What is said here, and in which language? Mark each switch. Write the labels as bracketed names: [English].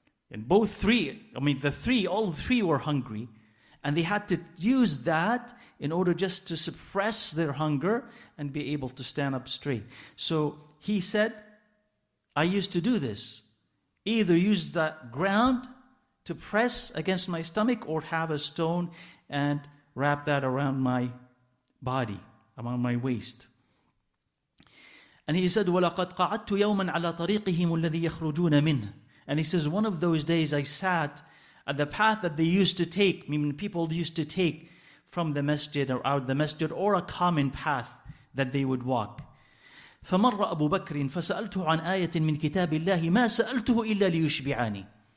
[English] And all three were hungry. And they had to use that in order just to suppress their hunger and be able to stand up straight. So he said, I used to do this. Either use the ground to press against my stomach or have a stone and wrap that around my body, around my waist. And he said, [Arabic] وَلَقَدْ قَعَدْتُ يَوْمًا عَلَىٰ طَرِيقِهِمُ الَّذِي يَخْرُجُونَ مِنْهِ. [English] And he says, one of those days I sat at the path that they used to take, meaning people used to take from the masjid or out of the masjid, or a common path that they would walk. [Arabic] فَمَرَّ أَبُو بَكْرٍ فَسَأَلْتُهُ عَنْ آيَةٍ مِنْ كِتَابِ اللَّهِ مَا سَأَلْتُهُ إِلَّا لِيُشْبِعَانِي.